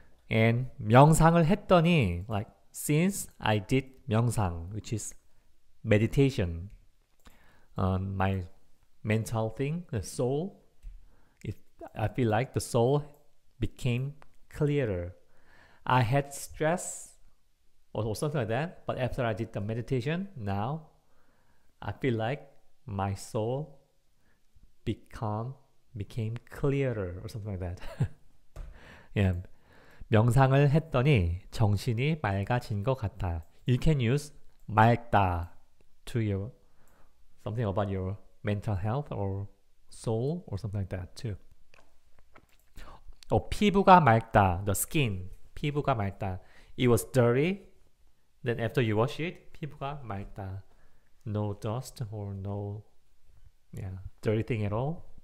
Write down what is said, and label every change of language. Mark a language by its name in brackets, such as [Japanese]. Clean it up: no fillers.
[English] And [Korean] 명상을 했더니, [English] like since I did 명상, which is meditation, my mental thing, the soul, I feel like the soul became clearer. I had stress or something like that, but after I did the meditation, now I feel like my soul became clearer or something like that. Yeah. [Korean] 명상을 했더니 정신이 맑아진 것 같아. [English] You can use 맑다 to your something about your mental health or soul or something like that too. [Korean] 어, 피부가 맑다. [English] The skin. [Korean] 피부가 맑다. [English] It was dirty. Then after you wash it, [Korean] 피부가 맑다. [English] No dust or no, yeah, dirty thing at all.